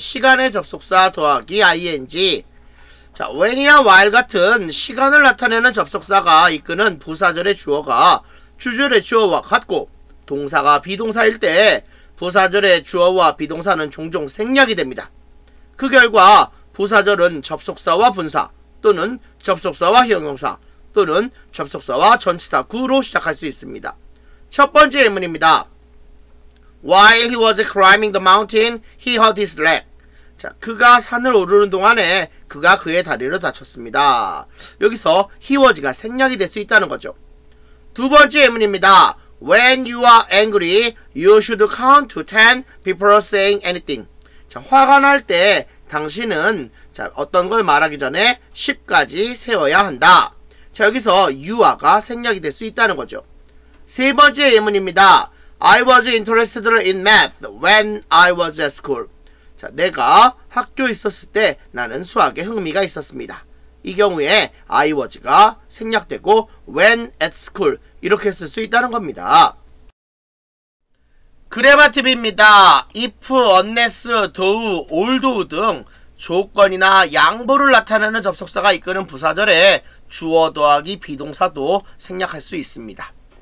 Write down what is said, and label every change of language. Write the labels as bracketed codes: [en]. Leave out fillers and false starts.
[ko] 시간의 접속사 더하기 ing. 자, when이나 while 같은 시간을 나타내는 접속사가 이끄는 부사절의 주어가 주절의 주어와 같고 동사가 비동사일 때 부사절의 주어와 비동사는 종종 생략이 됩니다. 그 결과 부사절은 접속사와 분사 또는 접속사와 형용사 또는 접속사와 전치사 구로 시작할 수 있습니다. 첫 번째 예문입니다. [en] While he was climbing the mountain, he hurt his leg. [ko] 자, 그가 산을 오르는 동안에 그가 그의 다리를 다쳤습니다. 여기서 [en] he was [ko] 가 생략이 될 수 있다는 거죠. 두 번째 예문입니다. [en] When you are angry, you should count to 10 before saying anything. [ko] 자, 화가 날 때 당신은 자, 어떤 걸 말하기 전에 10까지 세어야 한다. 자, 여기서 [en] you are [ko] 가 생략이 될 수 있다는 거죠. 세 번째 예문입니다. [en] I was interested in math when I was at school. [ko] 자, 내가 학교에 있었을 때 나는 수학에 흥미가 있었습니다. 이 경우에 [en] I was [ko] 가 생략되고 [en] when at school [ko] 이렇게 쓸 수 있다는 겁니다. 그래마 팁입니다. [en] If, unless, though, although [ko] 등 조건이나 양보를 나타내는 접속사가 이끄는 부사절에 주어 더하기 비동사도 생략할 수 있습니다.